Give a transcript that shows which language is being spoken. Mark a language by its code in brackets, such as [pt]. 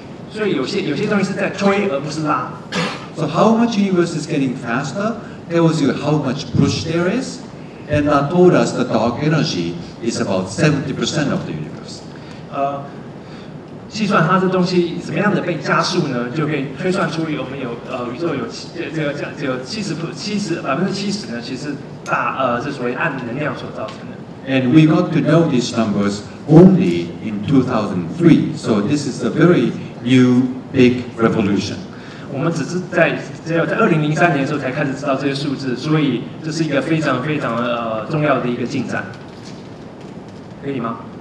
[zh] 所以有些东西是在推而不是拉。 [en] So how much universe is getting faster tells you how much push there is, and that told us the dark energy is about 70% of the universe. [zh] 计算它这东西怎么样的被加速呢，就可以推算出我们有宇宙有70%呢，其实大这所谓暗能量所造成的。 [en] And we got to know these numbers only in 2003, so this is a very new big revolution. [zh] 我们只有在2003年的时候才开始知道这些数字，所以这是一个非常非常重要的一个进展，可以吗？